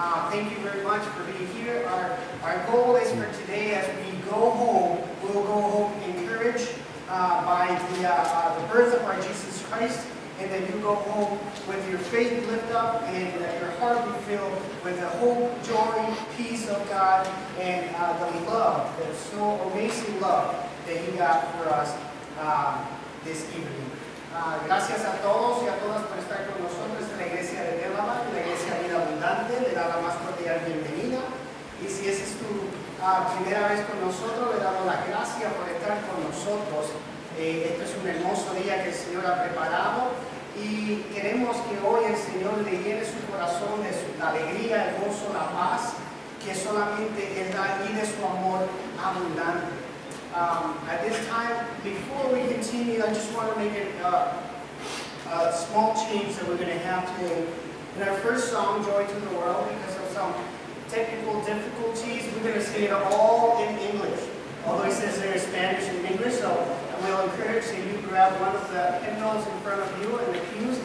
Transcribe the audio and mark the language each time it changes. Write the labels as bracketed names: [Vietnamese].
[English] Thank you very much for being here. Our goal is for today, as we go home, we'll go home encouraged by the birth of our Jesus Christ, and that you go home with your faith lifted up and that your heart be filled with the hope, joy, peace of God, and the love, the so amazing love that he got for us this evening. [Spanish] Gracias a todos y a todas por estar con nosotros en la iglesia de Delavan, la iglesia Vida Abundante, le da la más cordial bienvenida. Y si esa es tu primera vez con nosotros, le damos la gracia por estar con nosotros. Este es un hermoso día que el Señor ha preparado y queremos que hoy el Señor le llene su corazón de la alegría, el gozo, la paz que solamente Él da y de su amor abundante. [English] At this time, before we continue, I just want to make a small change that we're going to have today. In our first song, Joy to the World, because of some technical difficulties, we're going to sing it all in English. Although it says there is Spanish and English, so I will encourage that you grab one of the hymnals in front of you and the pews.